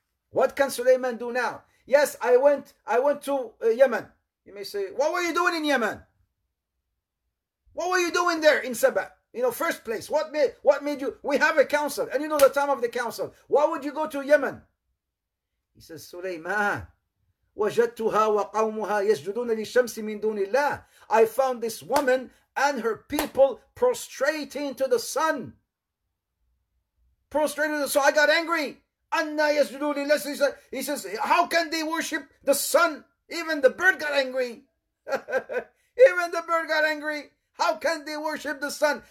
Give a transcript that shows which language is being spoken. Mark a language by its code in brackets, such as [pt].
[en] What can Sulaiman do now? Yes, I went to Yemen. You may say, what were you doing in Yemen? What were you doing there in Saba? You know, first place, what made you? We have a council and you know the time of the council. Why would you go to Yemen? He says, Sulaiman, [ar] وَجَدْتُهَا وَقَوْمُهَا يَسْجُدُونَ لِلشَّمْسِ مِنْ دُونِ اللَّهِ. [en] I found this woman and her people prostrating to the sun. Prostrating to the sun. So I got angry. [ar] أَنَّا يَسْجُدُونَ لِلَّهِ. [en] He says, how can they worship the sun? Even the bird got angry. Even the bird got angry. How can they worship the sun?